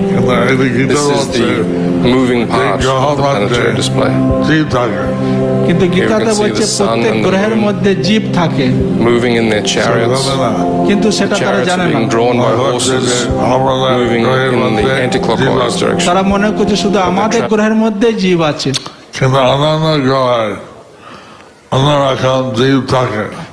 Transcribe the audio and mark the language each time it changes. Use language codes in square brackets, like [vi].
[en] This is the moving part of the planetary display. [bn] কিন্তু গীতাতে বলছে প্রত্যেক গ্রহের মধ্যে জীব থাকে [en] moving in their chariots [bn] কিন্তু সেটা তারা জানে না [en] drawn by horses moving in the anti-clockwise direction [bn] তারা মনে করছে শুধু আমাদের গ্রহের মধ্যে জীব আছে কিন্তু অন্যান্য গ্রহের অন্যরকম জীব থাকে